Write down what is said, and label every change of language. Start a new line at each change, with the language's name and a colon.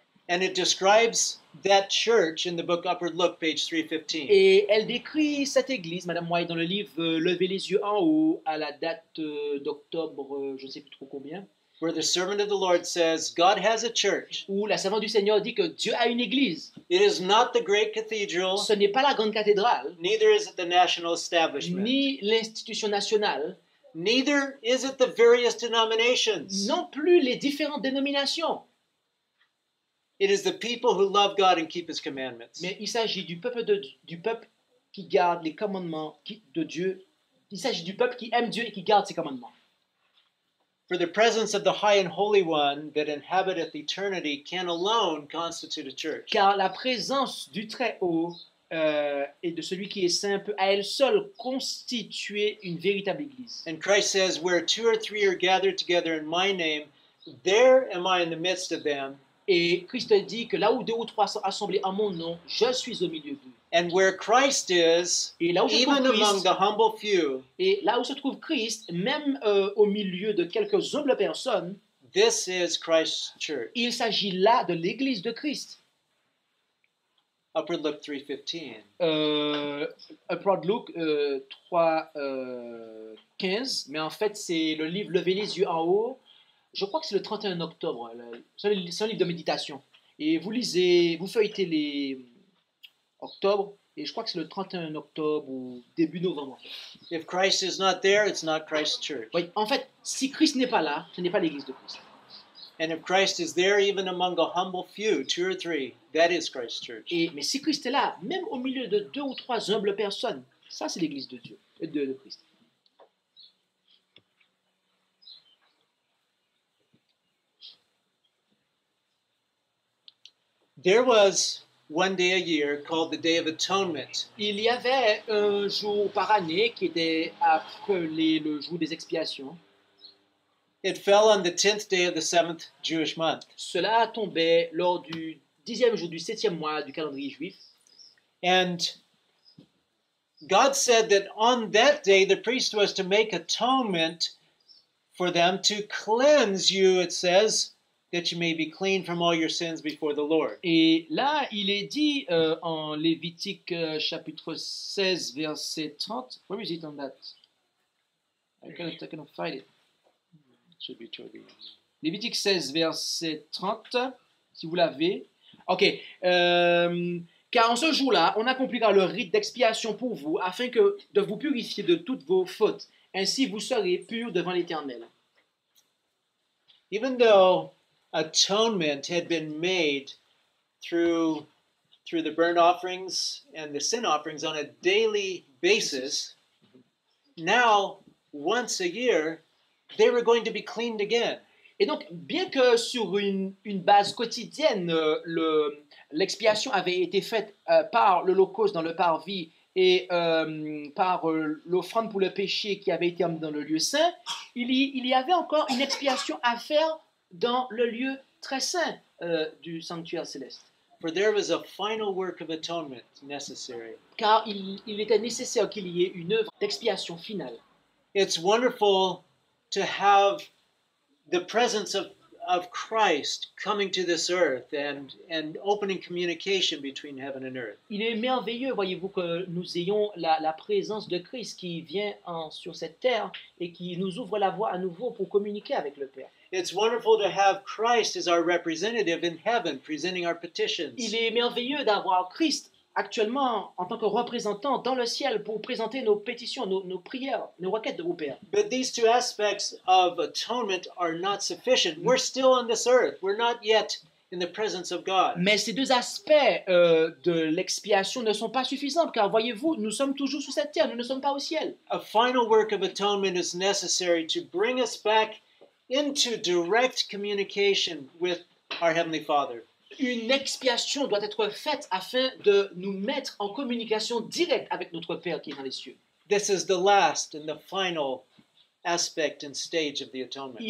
English: And it describes that church in the book Upward Look, page 315.
French: Et elle décrit cette église, Madame White, dans le livre Levez les yeux en haut, à la date d'octobre, je ne sais plus trop combien.
English: Where the servant of the Lord says, God has a church.
French: Où la servante du Seigneur dit que Dieu a une église.
English: It is not the great cathedral.
French: Ce n'est pas la grande cathédrale.
English: Neither is it the national establishment.
French: Ni l'institution nationale.
English: Neither is it the various denominations.
French: Non plus les différentes dénominations.
English: It is the people who love God and keep His commandments.
French: Mais il s'agit du peuple qui garde les commandements de Dieu. Il s'agit du peuple qui aime Dieu et qui garde ses commandements.
English: For the presence of the High and Holy One that inhabiteth eternity can alone constitute a church.
French: Car la présence du Très-Haut et de celui qui est saint peut à elle seule constituer une véritable église.
English: And Christ says, where two or three are gathered together in my name, there am I in the midst of them.
French: Et Christ dit que là où deux ou trois sont assemblés en mon nom, je suis au milieu d'eux.
English: And where Christ is,
French: et là où
English: even
French: se trouve Christ,
English: among the humble few,
French: et là où se trouve Christ, même au milieu de quelques humbles personnes,
English: this is Christ's church.
French: Il s'agit là de l'église de Christ.
English: Upward Look 3:15. Upward Look 3:15.
French: Mais en fait, c'est le livre Levez les yeux en haut. Je crois que c'est le 31 octobre. C'est un livre de méditation. Et vous lisez, vous feuilletez les octobre. Et je crois que c'est le 31 octobre ou début novembre.
English: If Christ is not there, it's not Christ's church.
French: Oui, en fait, si Christ n'est pas là, ce n'est pas l'église de Christ.
English: And if Christ is there even among a humble few, two or three, that is Christ's church.
French: Mais si Christ est là, même au milieu de deux ou trois humbles personnes, ça c'est l'église de Dieu, de Christ.
English: There was one day a year called the Day of Atonement.
French: Il y avait un jour par année qui était appelé le jour des expiations.
English: It fell on the 10th day of the 7th Jewish month.
French: Cela tombait lors du 10e jour du 7e mois du calendrier juif.
English: And God said that on that day the priest was to make atonement for them to cleanse you, it says, that you may be clean from all your sins before the Lord.
French: Et là, il est dit en Lévitique chapitre 16 verset 30.
English: Where is it on that? I cannot find it. Should be toward the end.
French: Lévitique 16 verset 30, si vous l'avez. OK. Car en ce jour-là, on accomplira le rite d'expiation pour vous afin que de vous purifier de toutes vos fautes, ainsi vous serez purs devant l'Éternel.
English: Even though atonement had been made through the burnt offerings and the sin offerings on a daily basis, now once a year they were going to be cleaned again.
French: Et donc bien que sur une base quotidienne l'expiation avait été faite par l'holocauste dans le parvis et par l'offrande pour le péché qui avait été amenée dans le lieu saint, il y avait encore une expiation à faire dans le lieu très saint du sanctuaire céleste.
English: For there was a final work of atonement necessary.
French: Car il était nécessaire qu'il y ait une œuvre d'expiation finale.
English: It's wonderful to have the presence of Christ coming to this earth and opening communication between heaven and earth.
French: Il est merveilleux, voyez-vous, que nous ayons la présence de Christ qui vient sur cette terre et qui nous ouvre la voie à nouveau pour communiquer avec le Père.
English: It's wonderful to have Christ as our representative in heaven presenting our petitions.
French: Il est merveilleux d'avoir Christ actuellement en tant que représentant dans le ciel pour présenter nos pétitions, nos prières, nos requêtes de vos pères.
English: But these two aspects of atonement are not sufficient. We're still on this earth. We're not yet in the presence of God.
French: Mais ces deux aspects de l'expiation ne sont pas suffisants, car voyez-vous, nous sommes toujours sur cette terre, nous ne sommes pas au ciel.
English: A final work of atonement is necessary to bring us back into direct communication with our Heavenly Father.
French: Une expiation doit être faite afin de nous mettre en communication directe avec notre Père qui est dans les cieux.
English: This is the last and the final aspect and stage of the atonement.